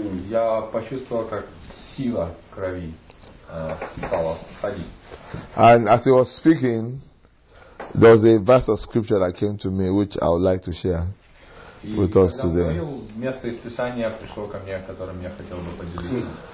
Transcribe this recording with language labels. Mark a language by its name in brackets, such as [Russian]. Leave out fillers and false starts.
[Russian] Я почувствовал, как сила крови стала сходить. [English] And as he was speaking, there was a verse of scripture that came to me, which I would like to share with us today. [Russian] Место из Писания пришло ко мне, которым я хотел бы поделиться.